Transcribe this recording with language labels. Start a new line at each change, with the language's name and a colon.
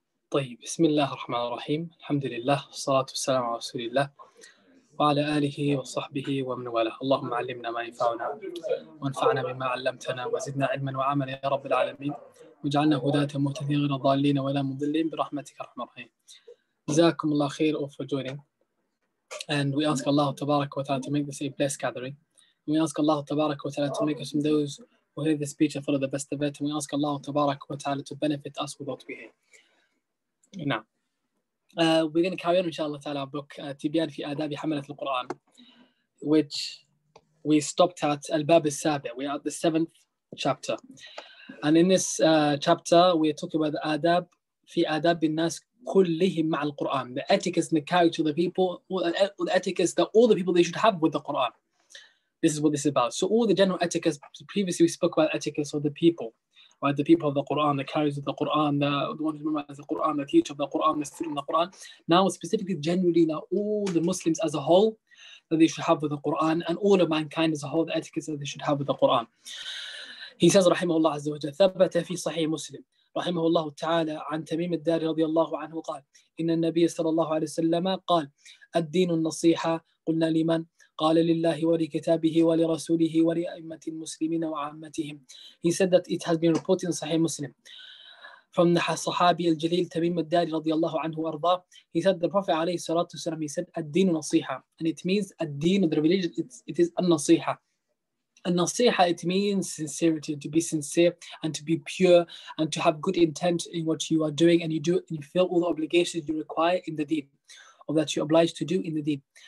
Arabic: طيب، بسم الله الرحمن الرحيم. الحمد لله، والصلاة والسلام على رسول الله وعلى آله وصحبه ومن والاه. اللهم علمنا ما ينفعنا وانفعنا بما علمتنا وزدنا علما وعملا يا رب العالمين، واجعلنا هداة مهتدين غير ضالين ولا مضلين برحمتك يا رحمن الرحيم. جزاكم الله خير
English: for joining. And we ask Allah تبارك وتعالى to make this a blessed gathering. We ask Allah تبارك وتعالى to make us from those who hear the speech and follow the best of it. And we ask Allah تبارك وتعالى to benefit us with what we hear.
Arabic: نعم.
English: We're going to carry on إن شاء الله تعالى book تبيان في آداب حملة القرآن, which we stopped at
Arabic: الباب السابع.
English: We are at the seventh chapter. And in this chapter, we're talking about the
Arabic: آداب في آداب الناس كلهم مع القرآن.
English: The etiquette and the character of the people, the etiquette that all the people they should have with the Quran. This is what this is about. So all the general etiquette, previously we spoke about etiquette of the people. Right, the people of the Quran, the carriers of the Quran, the ones who memorize the Quran, the teacher of the Quran, the student of the Quran. Now, specifically, generally, now all the Muslims as a whole that they should have with the Quran, and all of mankind as a whole, the etiquette that they should have with the Quran. He says,
Arabic: "Rahimahullah azza wa jalla, thabbata fi sahih Muslim, rahimahullah taala, an Tamim al-Dari radiyallahu anhu qal, inna Nabiyya sallallahu alayhi wa sallam qal, ad-dinu an-nasiha, qulna liman? قال لله ولكتابه ولرسوله ولأئمة المسلمين وعامتهم."
English: He said that it has been reported in Sahih Muslim from the Sahabi al-Jalil Tamim al-Dari radiyallahu anhu arda. He said the Prophet alayhi salatu wasalam, he said
Arabic: الدين نصيحة,
English: and it means الدين, the religion, it is
Arabic: النصيحة.
English: النصيحة, it means sincerity, to be sincere and to be pure and to have good intent in what you are doing, and you do and you fill all the obligations you require in the deen, or that you're obliged to do in the deen.